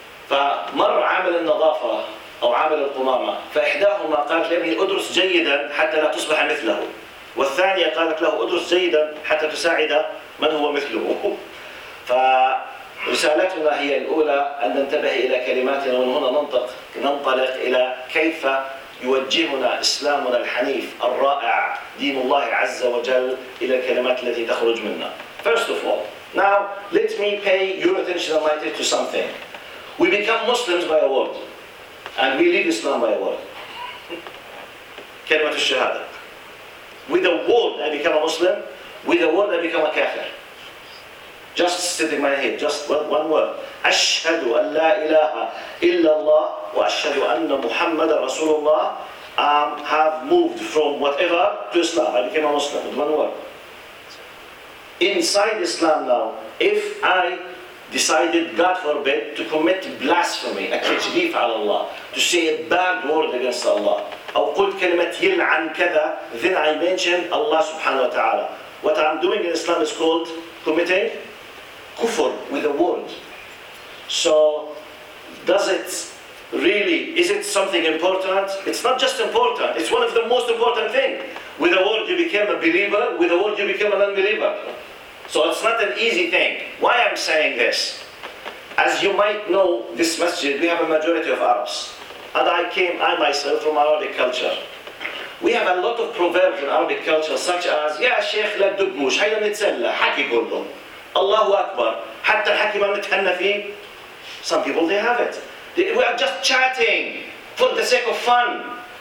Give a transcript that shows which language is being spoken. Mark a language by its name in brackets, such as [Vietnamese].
[Arabic] فمر عامل النظافة أو عامل القمامة فإحداهما قالت لابني أدرس جيدا حتى لا تصبح مثله، والثانية قالت له أدرس جيدا حتى تساعد من هو مثله. فرسالتنا هي الأولى أن ننتبه إلى كلماتنا، ومن هنا ننطلق إلى كيف يوجهنا إسلامنا الحنيف الرائع دين الله عز وجل إلى الكلمات التي تخرج منا. [English] First of all, now let me pay your attention and my attention to something. We become Muslims by a word, and we leave Islam by a word. [Arabic] كلمة الشهادة. [English] With a word I become a Muslim, with a word I become a kafir. Just sitting my head, just one word. [Arabic] أشهد أن لا إله إلا الله وأشهد أن محمد رسول الله [English] have moved from whatever to Islam. I became a Muslim with one word. Inside Islam now, if I decided, God forbid, to commit blasphemy, a [Arabic] تجديف على الله, [English] to say a bad word against Allah, [Arabic] أو قلت كلمة يلعن كذا, [English] then I mention Allah subhanahu wa ta'ala. What I'm doing in Islam is called committing kufr with a word. So, does it really, is it something important? It's not just important, it's one of the most important things. With a word you became a believer, with a word you became an unbeliever. So it's not an easy thing. Why I'm saying this? As you might know, this masjid, we have a majority of Arabs. And I myself from Arabic culture. We have a lot of proverbs in Arabic culture such as [Arabic] يا شيخ لا تدبوش حيلا نتسلى حكي كلهم الله أكبر حتى الحكي ما نتهنى فيه. [English] Some people they have it. We are just chatting for the sake of fun.